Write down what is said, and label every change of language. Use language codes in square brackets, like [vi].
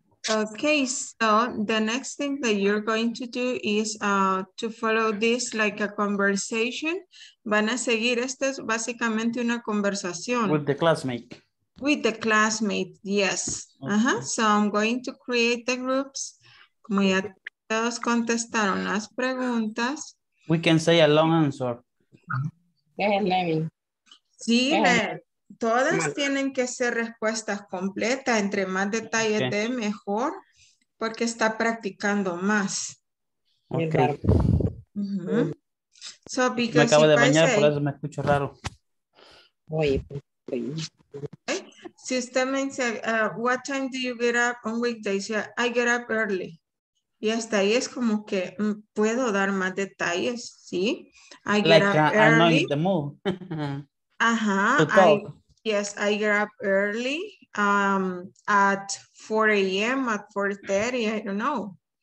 [en] Okay, so the next thing that you're going to do is to follow this like a conversation. [es] Van a seguir, esta es básicamente una conversación. [en] With the classmate. With the classmate, yes. Okay. So I'm going to create the groups. [es] Como ya todos contestaron las preguntas. [en] We can say a long answer. [es] Sí, todas tienen que ser respuestas completas. Entre más detalles de mejor, porque está practicando más. [en] Okay. So [es] because me acabo de bañar, por eso me escucho raro. [en] Okay. [es] Si usted me dice, [en] what time do you get up on weekdays? I get up early. [es] Y hasta ahí es como que puedo dar más detalles, ¿sí? [en] I get like, up early. I'm not in the mood. [es] Ajá. [en] Yes, I get up early at 4 a.m., at 4:30, I don't know.